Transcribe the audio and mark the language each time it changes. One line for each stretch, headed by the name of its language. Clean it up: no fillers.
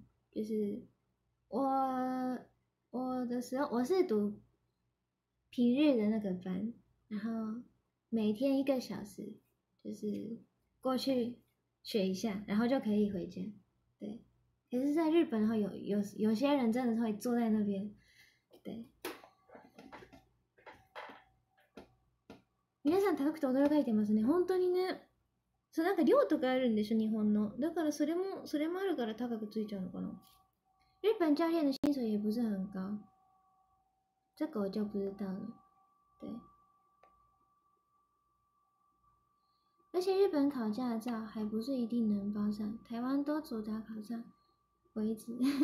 Chinese: 就是我是读平日的那个班，然后每天1个小时，就是过去学一下，然后就可以回家。对，可是在日本的话，有些人真的会坐在那边。对。
Japanese: 皆さん高くて驚かれてますね。本当にね。そう、なんか寮とかあるんでしょ、日本の。だからそれもあるから高くついちゃうのかな。
Chinese: 日本教练の薪水也不是很高。这个我就不知道了。对。而且日本考驾照还不是一定能包上，台湾都主打考上为止。